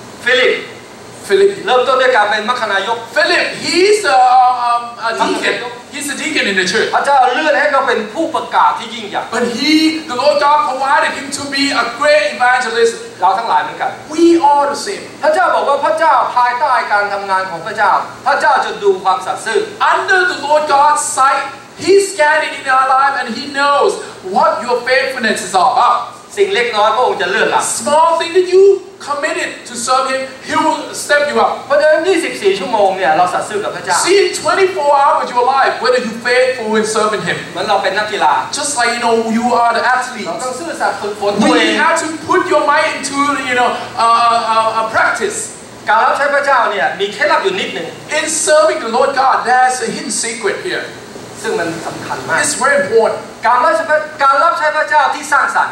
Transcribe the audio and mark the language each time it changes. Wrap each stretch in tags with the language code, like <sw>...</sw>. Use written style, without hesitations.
<th>Philip เริ่มต้นด้วยการเป็นมัคคณายก</th> <en>Philip he's a deacon in the church</en> <th>พระเจ้าเลื่อนให้เขาเป็นผู้ประกาศที่ยิ่งใหญ่</th> <en>but he the Lord God provided him to be a great evangelist</en> <th>เราทั้งหลายเหมือนกัน</th> <en>we all the same</en> <th>พระเจ้าบอกว่าพระเจ้าภายใต้การทำงานของพระเจ้าพระเจ้าจะดูความสัตย์ซื่อ</th> <en>under the Lord God's sight he's scanning in our life and he knows what your faithfulness is all about</en> <th>สิ่งเล็กน้อยพระองค์จะเลื่อนละ</th> <en>small thing that youcommitted to serve him he will step you up</en> <th>เพราะฉะนั้น24ชั่วโมงเนี่ยเราสัตย์ซื่อกับพระเจ้า</th> <en>See 24 hours of your life whether you faithful in serving him</en> <th>เหมือนเราเป็นนักกีฬา</th> <en>Just like you know you are the athlete</en> <th>เราต้องซื่อสัตย์ฝึกฝน ตัวเอง</th> <en>We have to put your mind into you know a practice</en> <th>การรับใช้พระเจ้าเนี่ยมีเคล็ดลับอยู่นิดนึง</th> <en>In serving the Lord God there's a hidden secret here</en> <th>ซึ่งมันสำคัญมาก</th> <en>It's very important</en> <th>การรับใช้พระเจ้าที่สร้างสรรค</th>